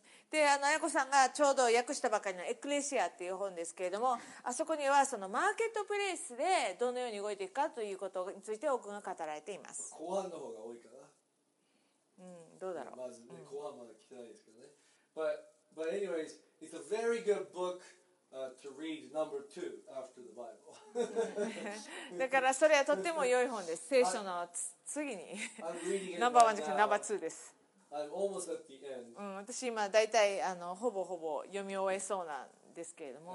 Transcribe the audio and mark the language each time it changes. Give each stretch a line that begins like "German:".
Japanese: で、あやこさんがちょうど訳したばかりのエクレシアっていう本ですけれども、あそこにはそのマーケットプレイスでどのように動いていくかということについて多くが語られています。後半の方が多いかな。どうだろう、まず、ね、後半まだ来てないですけどね。
English: But anyways, it's a very good book、to read number two after the Bible.
Japanese: だからそれはとっても良い本です。聖書の次にナンバーワンじゃなくてナンバーツーです。
English: I'm almost at the end.
Japanese: 私今だいたいほぼほぼ読み終えそうなんですけれども、